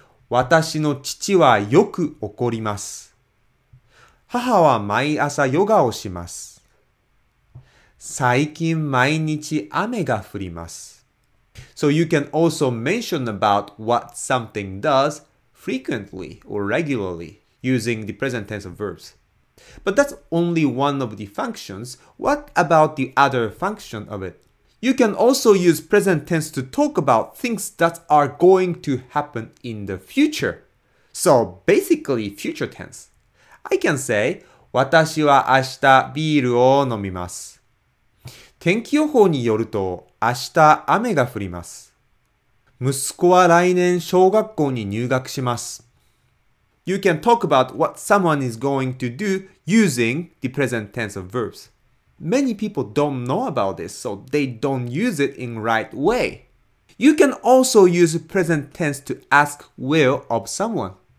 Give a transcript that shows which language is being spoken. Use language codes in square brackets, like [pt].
[ja] 私の父はよく怒ります。母は毎朝ヨガをします。最近毎日雨が降ります。 [en] So you can also mention about what something does frequently or regularly using the present tense of verbs. But that's only one of the functions. What about the other function of it? You can also use present tense to talk about things that are going to happen in the future. So basically future tense. I can say, [ja] 私は明日ビールを飲みます。天気予報によると明日雨が降ります。息子は来年小学校に入学します。 [en] You can talk about what someone is going to do using the present tense of verbs. Many people don't know about this, so they don't use it in right way. You can also use present tense to ask will of someone.